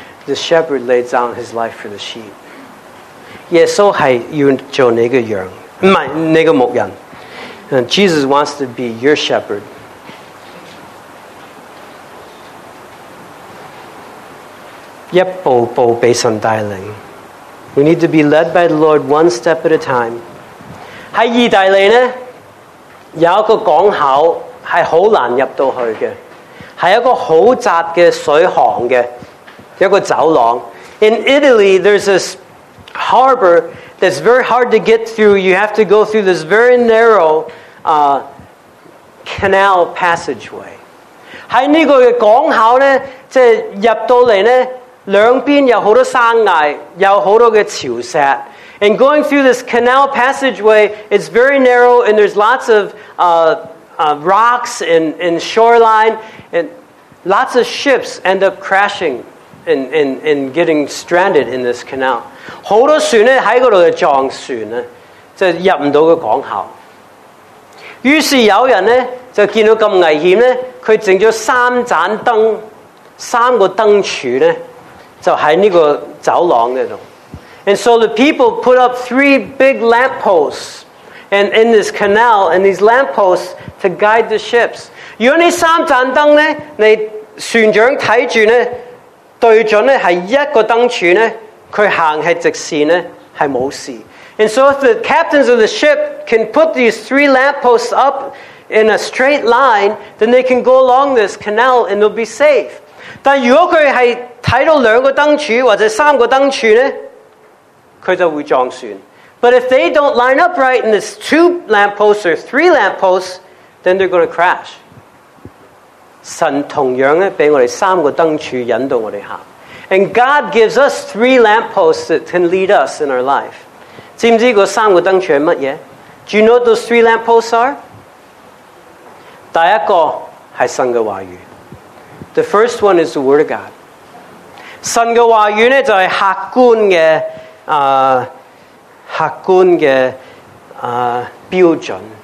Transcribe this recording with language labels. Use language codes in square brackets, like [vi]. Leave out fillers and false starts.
[en] The shepherd laid down his life for the sheep. [zh] 耶稣是要做你的羊，不是你的牧人。 [en] And Jesus wants to be your shepherd. [zh] 一步步被神带领。 [en] We need to be led by the Lord one step at a time. [zh] 在意大利呢，有一个港口是很难入到去的，是一个很窄的水行的一个走廊。 [en] In Italy there's this harbor that's very hard to get through. You have to go through this very narrow canal passageway. [zh] 在这个港口呢，即入到来呢，两边有很多山崖，有很多的潮石。 [en] And going through this canal passageway, it's very narrow and there's lots of rocks and shoreline, and lots of ships end up crashing and getting stranded in this canal. [zh] 很多船在那里撞船，就入不到个港口。于是有人呢，就见到这么危险呢，他整了三盏灯，三个灯柱呢，就在这个走廊那里。 [en] And so the people put up three big lampposts and in this canal and these lampposts to guide the ships. [zh] 如果你三盏灯呢，你船长看着呢，对着呢是一个灯柱呢，它行是直线呢，是没事。 [en] And so if the captains of the ship can put these three lampposts up in a straight line, then they can go along this canal and they'll be safe. [zh] 但如果它是看到两个灯柱或者三个灯柱呢，它就会撞船。 [en] But if they don't line up right in this two lampposts or three lampposts, then they're going to crash. [zh] 神同样给我们三个灯柱引导我们行。 [en] And God gives us three lampposts that can lead us in our life. [zh] 知不知道三个灯柱是什么？ [en] Do you know what those three lampposts are? [zh] 第一个是神的话语。 [en] The first one is the Word of God. [zh] 神的话语呢，就是客观的客观的标准。